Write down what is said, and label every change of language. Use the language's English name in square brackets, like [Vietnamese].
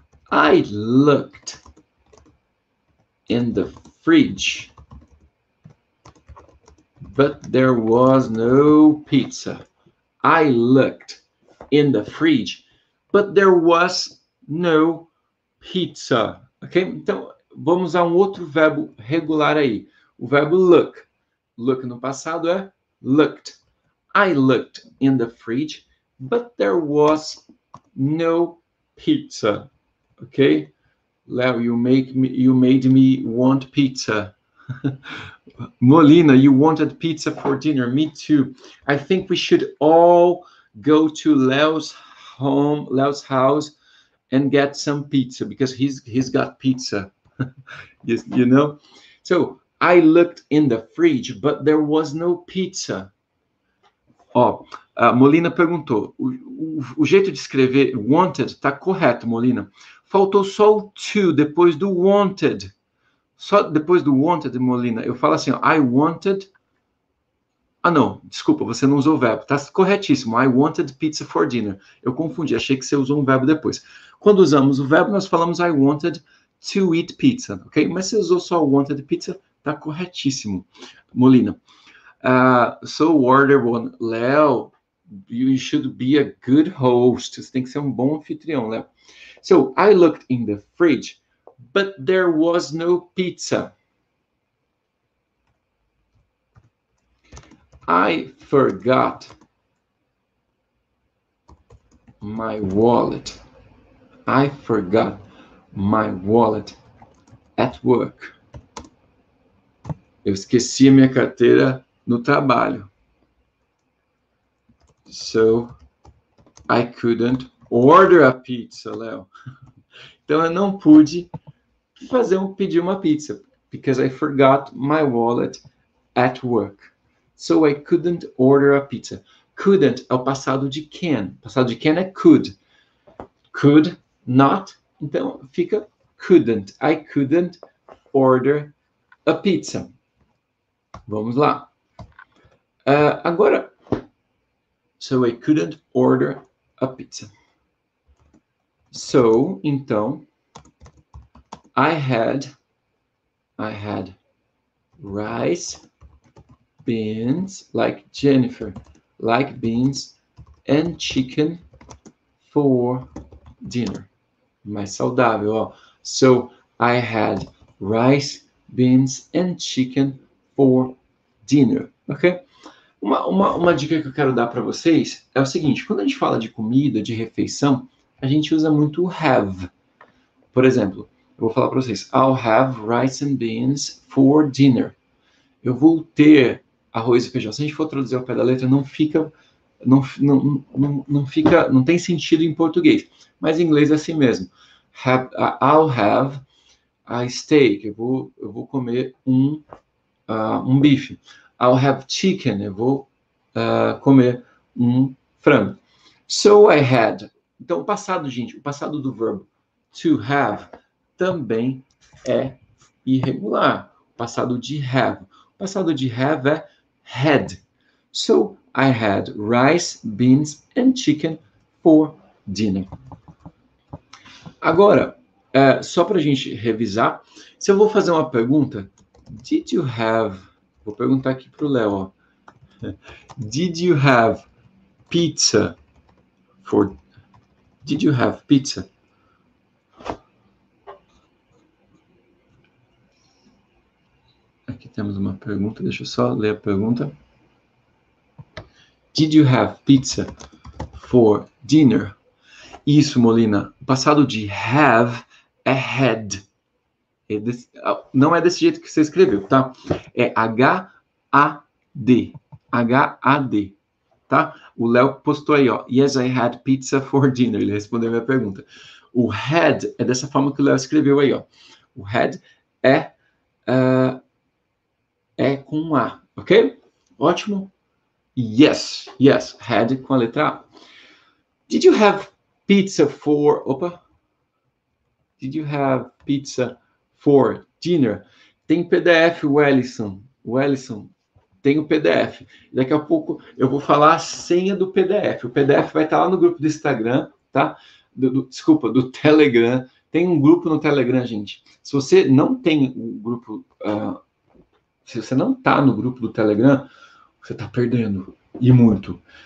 [English] I looked in the fridge, but there was no pizza. I looked in the fridge, but there was no pizza. Ok? [Portuguese] Então, vamos usar um outro verbo regular aí. O verbo look. Look no passado é looked. [English] I looked in the fridge, but there was no pizza. Ok? Leo, you made me want pizza. Molina, you wanted pizza for dinner. Me too. I think we should all go to Leo's house and get some pizza because he's got pizza. You know? So I looked in the fridge, but there was no pizza. [Portuguese] Ó, a Molina perguntou. O jeito de escrever wanted tá correto, Molina. Faltou só o to depois do wanted. Só depois do wanted, Molina. Eu falo assim, ó, [English] I wanted. [Portuguese] Ah, não, desculpa, você não usou o verbo. Tá corretíssimo. [English] I wanted pizza for dinner. [Portuguese] Eu confundi, achei que você usou um verbo depois. Quando usamos o verbo, nós falamos [English] I wanted to eat pizza, [Portuguese] ok? Mas você usou só [English] wanted pizza, [Portuguese] tá corretíssimo, Molina. [English] So, order one. Leo, you should be a good host. [Portuguese] Você tem que ser um bom anfitrião, Leo. [English] So, I looked in the fridge, but there was no pizza. I forgot My wallet. I forgot my wallet at work. [Portuguese] Eu esqueci a minha carteira no trabalho. [English] So I couldn't order a pizza, Léo. [Portuguese] Então eu não pude pedir uma pizza [English] because I forgot my wallet at work. So I couldn't order a pizza. [Portuguese] Couldn't é o passado de can. O passado de can é could. Could not. Então fica couldn't. [English] I couldn't order a pizza. [Portuguese] Vamos lá. Agora. [English] So I couldn't order a pizza. So, então, I had rice, beans, like Jennifer, like beans and chicken for dinner. [Portuguese] Mais saudável, ó. [English] So, I had rice, beans and chicken for dinner, ok? [Portuguese] Uma dica que eu quero dar para vocês é o seguinte: quando a gente fala de comida, de refeição, a gente usa muito o have. Por exemplo, eu vou falar para vocês: [English] I'll have rice and beans for dinner. [Portuguese] Eu vou ter arroz e feijão. Se a gente for traduzir ao pé da letra, não fica, não fica, não tem sentido em português. Mas em inglês é assim mesmo: [English] I'll have a steak. [Portuguese] Eu vou comer um bife. [English] I'll have chicken. [Portuguese] Eu vou comer um frango. [English] So I had. [Portuguese] Então, o passado, gente, o passado do verbo to have também é irregular. O passado de have. O passado de have é had. [English] So I had rice, beans and chicken for dinner. [Portuguese] Agora, só para a gente revisar, se eu vou fazer uma pergunta, [English] did you have. [Portuguese] Vou perguntar aqui para o Léo. [English] Did you have pizza for. Did you have pizza? [Portuguese] Aqui temos uma pergunta, deixa eu só ler a pergunta. [English] Did you have pizza for dinner? [Portuguese] Isso, Molina. O passado de have é had. Não é desse jeito que você escreveu, tá? É H-A-D. H-A-D. Tá? O Léo postou aí, ó. [English] Yes, I had pizza for dinner. [Portuguese] Ele respondeu a minha pergunta. O had é dessa forma que o Léo escreveu aí, ó. O had é com A, ok? Ótimo. Yes. Had com a letra A. [English] Did you have pizza for. Opa! Did you have pizza for dinner? [Portuguese] Tem PDF, Wellison. Wellison. Tem o PDF. Daqui a pouco eu vou falar a senha do PDF. O PDF vai estar lá no grupo do Instagram, tá? Desculpa, do Telegram. Tem um grupo no Telegram, gente. Se você não tem o grupo, se você não está no grupo do Telegram, você está perdendo. E muito.